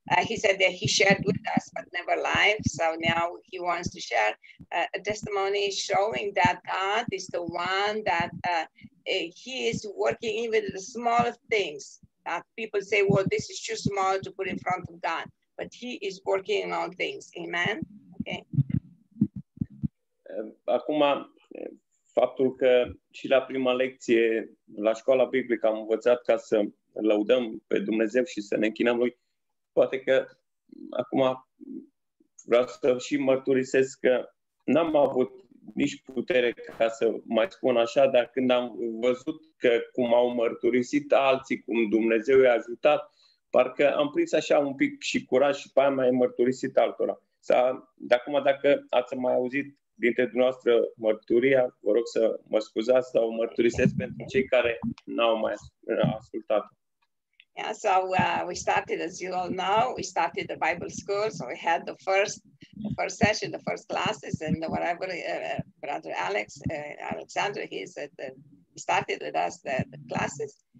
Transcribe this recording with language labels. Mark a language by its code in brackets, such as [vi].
[en] He said that he shared with us, but never live. So now he wants to share a testimony showing that God is the one that he is working even the small things. People say, well, this is too small to put in front of God. But he is working in all things. Amen? Okay. [ro] Acum, faptul că și la prima lecție, la școala biblică, am învățat ca să lăudăm pe Dumnezeu și să ne închinăm Lui, poate că acum vreau să și mărturisesc că n-am avut nici putere ca să mai spun așa, dar când am văzut că cum au mărturisit alții, cum Dumnezeu i-a ajutat, parcă am prins așa un pic și curaj și pe aia mai mărturisit altora. De acum, dacă ați mai auzit dintre dumneavoastră mărturia, vă rog să mă scuzați sau mărturisesc pentru cei care n-au mai ascultat. [en] Yeah, so we started, as you all know, we started the Bible school. So we had the first session, the first classes, and whatever Brother Alex, Alexander, he said that he started with us the classes.